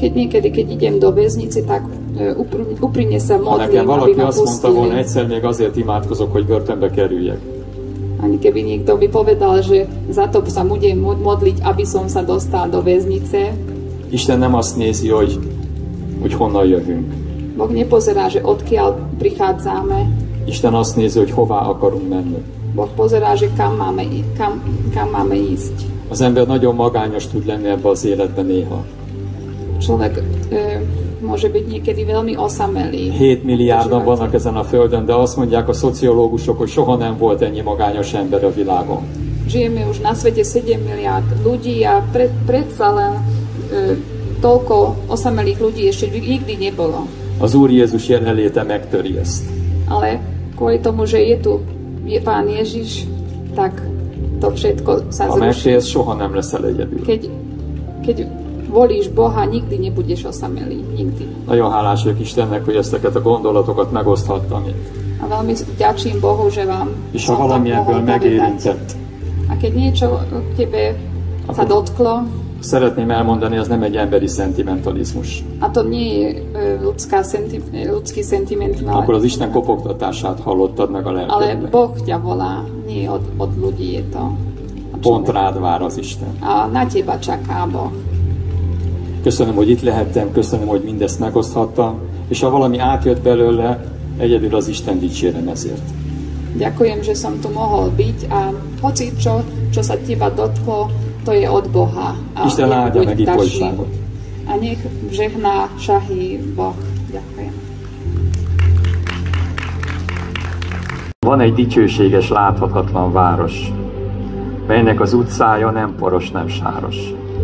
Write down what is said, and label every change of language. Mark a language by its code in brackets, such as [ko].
[sk] Keď idem do väznice, tak úprimne sa modlím, aby ma pustili. [hu] Ha nekem valaki azt mondta volna, egyszer még azért imádkozok, hogy börtönbe kerüljek. [sk] Ani keby niekto by povedal, že za to sa budem modliť, aby som sa dostal do väznice. [hu] Isten nem azt nézi, hogy honnan jövünk. [sk] Boh nepozerá, že odkiaľ prichádzame. [hu] Isten azt nézi, hogy hová akarunk menni. [sk] pozerá, že kam máme ísť. [hu] Az ember nagyon magányos tud lenni ebbe az életbe néha. [sk] Človek môže byť niekedy veľmi osamelý. [hu] 7 milliárdan vannak ezen a földön, de azt mondják a szociológusok, hogy soha nem volt ennyi magányos ember a világon. [sk] Žijeme už na svete 7 miliárd ľudí a predsa len toľko osamelých ľudí ešte nikdy nebolo. [hu] Az Úr Jézus jelenléte megtöri ezt. [sk] Ale kvôli tomu, že je tu Pán Ježiš, tak to všetko sa zruší. [hu] A megtérsz, soha nem leszel egyedül. [sk] Keď volíš Boha, nikdy nebudeš osamelý. Nikdy. [hu] Nagyon hálás vagyok Istennek, hogy ezteket a gondolatokat megoszthattam itt. [sk] A veľmi ďačím Bohu, že vám [hu] és ha valami ebből megérintett. [sk] A keď niečo k tebe sa dotklo. [hu] Szeretném elmondani, ez nem egy emberi szentimentalizmus. [sk] A to nie je ľudský szentimentalizmus. [hu] Akkor az Isten kopogtatását hallottad meg a lelkedben. [sk] Ale Boh ťa volá, nie od ľudí je to. [hu] Pont rád vár az Isten. [sk] A na teba čaká Boh. [hu] Köszönöm, hogy itt lehettem, köszönöm, hogy mindezt megoszthattam, és ha valami átjött belőle, egyedül az Isten dicsérem ezért. [sk] Ďakujem, že som tu mohol byť a hoci čo sa teba dotklo, to je od Boha. A [hu] Isten áldja meg itt Polságot. [sk] A nech žehná Šahy Boh. Ďakujem. [hu] Van egy dicsőséges, láthatatlan város, melynek az utcája nem poros, nem sáros.